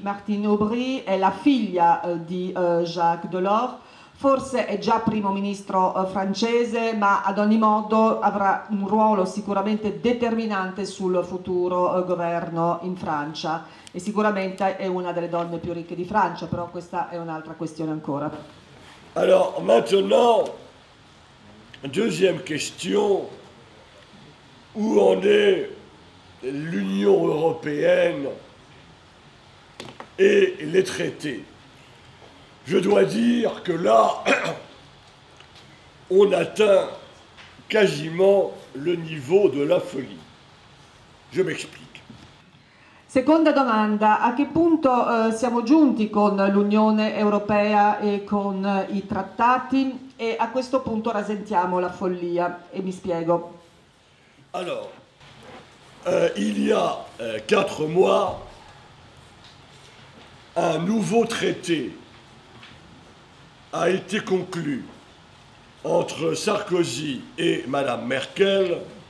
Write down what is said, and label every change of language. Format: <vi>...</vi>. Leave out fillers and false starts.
<it>Martine Aubry è la figlia di Jacques Delors, forse è già primo ministro francese, ma ad ogni modo avrà un ruolo sicuramente determinante sul futuro governo in Francia e sicuramente è una delle donne più ricche di Francia, però questa è un'altra questione ancora.</it> <fr>Allora, maintenant, deuxième question, où en est l'Union européenne et les traités? Je dois dire que là, on atteint quasiment le niveau de la folie. Je m'explique.</fr> <it>Seconda domanda, a che punto siamo giunti con l'Unione Europea e con i trattati? E a questo punto rasentiamo la follia e mi spiego.</it> <fr>Alors, il y a 4 mois, un nouveau traité a été conclu entre Sarkozy et Madame Merkel,</fr>